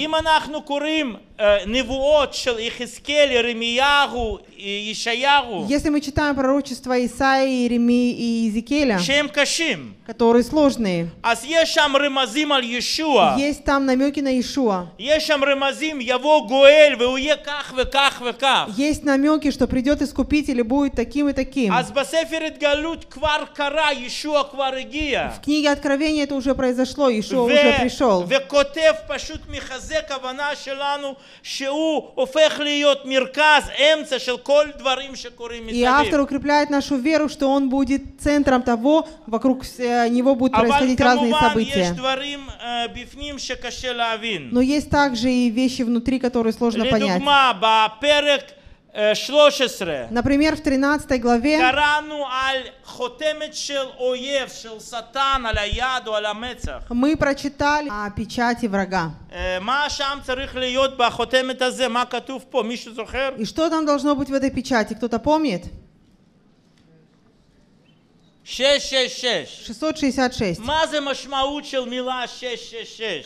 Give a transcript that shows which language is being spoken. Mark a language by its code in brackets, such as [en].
[ru] Если мы читаем [he] נבואות של [ru] יחזקאל, ירמיהו, ישעיהו. Если мы читаем пророчества Исаии, Иеремии и Иезекииля, [he] שהם קשים, [ru] которые сложные. [he] אז יש שם רמזים על ישועה. [ru] Есть там намёки на Иешуа. [he] יש שם רמזים, יבוא גואל, ויהיה כך וכך וכך. [ru] Есть намёки, что придёт искупитель и будет таким и таким. [he] אז בספר התגלות כבר קרה, ישועה כבר הגיע. [ru] В книге Откровения это уже произошло, Иешуа уже пришёл. [he] וכותב פשוט מחזק הבנה שלנו שהוא הופך להיות מרכז אמצע של כל דברים שקורים מסביב. [ru] И автор укрепляет нашу веру, что он будет центром того, вокруг него будут происходить разные события. Есть [he] דברים בפנים שקשה להבין. [ru] Но есть также и вещи внутри, которые сложно понять. [he] לדוגמה, בפרק 13. [ru] Например, в 13 главе [he] קראנו על חותמת של אויב, של סטן, על היד, על המצח. [ru] Мы прочитали о печати врага. И что там должно быть в этой печати? Кто-то помнит? 666.